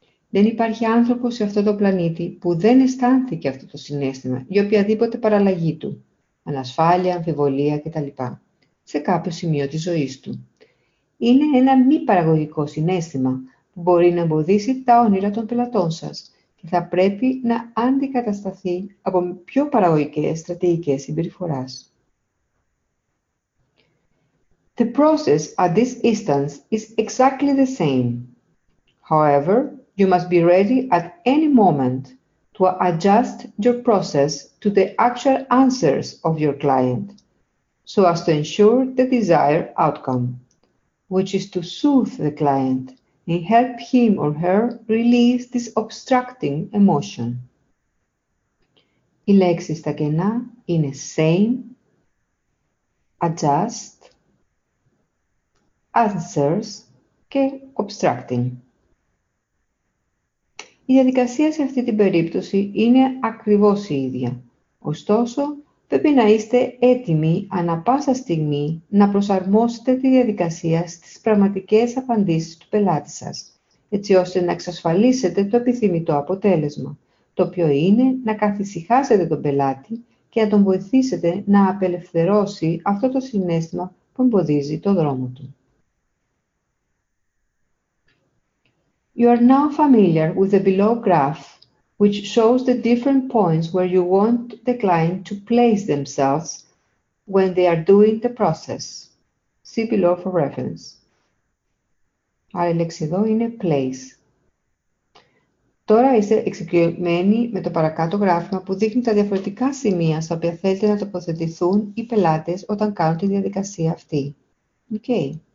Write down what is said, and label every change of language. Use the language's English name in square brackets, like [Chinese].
[Greek] Δεν υπάρχει άνθρωπος σε αυτό το πλανήτη που δεν αισθάνθηκε αυτό το συνέστημα για οποιαδήποτε παραλλαγή του, ανασφάλεια, αμφιβολία κτλ. Σε κάποιο σημείο της ζωής του. Είναι ένα μη παραγωγικό συνέστημα που μπορεί να εμποδίσει τα όνειρα των πελατών σας και θα πρέπει να αντικατασταθεί από πιο παραγωγικές στρατηγικές συμπεριφοράς. [English] The process at this instance is exactly the same. However, you must be ready at any moment to adjust your process to the actual answers of your client, so as to ensure the desired outcome, which is to soothe the client and help him or her release this obstructing emotion. [Greek] Οι λέξεις στα κενά είναι same, adjust, answers και obstructing. Η διαδικασία σε αυτή την περίπτωση είναι ακριβώς η ίδια. Ωστόσο, πρέπει να είστε έτοιμοι ανά πάσα στιγμή να προσαρμόσετε τη διαδικασία στις πραγματικές απαντήσεις του πελάτη σας, έτσι ώστε να εξασφαλίσετε το επιθυμητό αποτέλεσμα, το οποίο είναι να καθησυχάσετε τον πελάτη και να τον βοηθήσετε να απελευθερώσει αυτό το συνέστημα που εμποδίζει τον δρόμο του. [English] You are now familiar with the below graph, which shows the different points where you want the client to place themselves when they are doing the process. See below for reference. [Greek] Άλλη λέξη εδώ είναι place. Τώρα είστε εξοικειωμένοι με το παρακάτω γράφημα που δείχνει τα διαφορετικά σημεία στα οποία θέλετε να τοποθετηθούν οι πελάτες όταν κάνουν τη διαδικασία αυτή. Okay.